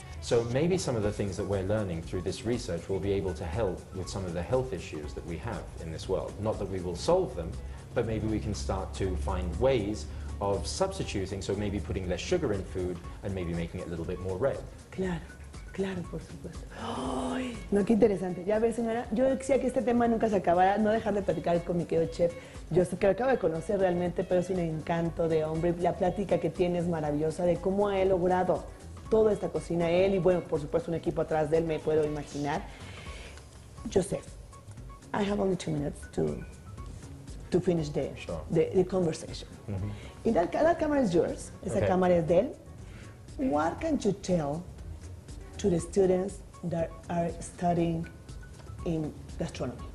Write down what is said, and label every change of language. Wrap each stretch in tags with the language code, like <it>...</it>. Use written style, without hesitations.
<en>So maybe some of the things that we're learning through this research will be able to help with some of the health issues that we have in this world. Not that we will solve them, but maybe we can start to find ways of substituting, so maybe putting less sugar in food and maybe making it a little bit more red.</en> <es>Claro. Claro, por supuesto. Ay, no, qué interesante. Ya ves, señora, yo decía que este tema nunca se acabara, no dejar de platicar con mi querido chef. Yo sé que lo acabo de conocer realmente, pero es un encanto de hombre. La plática que tiene es maravillosa, de cómo ha logrado toda esta cocina él y, bueno, por supuesto, un equipo atrás de él, me puedo imaginar.</es> <en>Josef, I have only 2 minutes to finish the conversation. Mm-hmm. And that camera is yours.</en> <es>Esa okay. Cámara es de él.</es> <en>What can you tell to the students that are studying in gastronomy?</en>